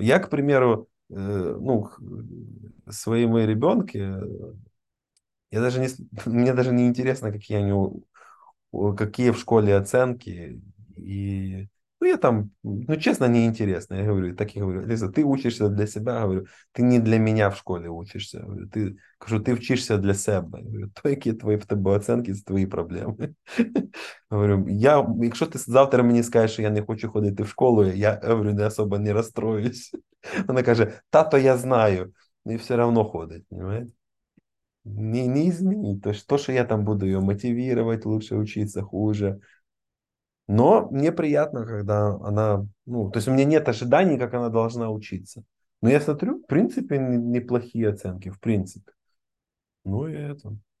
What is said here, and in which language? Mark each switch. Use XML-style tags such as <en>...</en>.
<ru>Я, к примеру, ну, своему ребенку, я даже не, мне даже не интересно, какие в школе оценки. И, ну, я там, ну, честно, не интересно. Я говорю, так и говорю, Лиза, ты учишься для себя, говорю, ты не для меня в школе учишься. Говорю,</ru> <uk>кажу,</uk> <ru>ты вчишься для себя.</ru> <uk>Говорю, то, які твої в тебе оценки, це твої проблеми. Говорю, якщо ти завтра мені скажеш, що я не хочу ходити в школу, я говорю, не особо не розстроюсь. Вона каже, тато, я знаю, і все одно ходить. Понимаете? Не змінить. То, що я там буду його мотивувати, лучше вчитися, хуже.</uk> <ru>Но мне приятно, когда она, ну, то есть у меня нет ожиданий, как она должна учиться. Но я смотрю, в принципе, неплохие оценки, в принципе. Ну и это.</ru>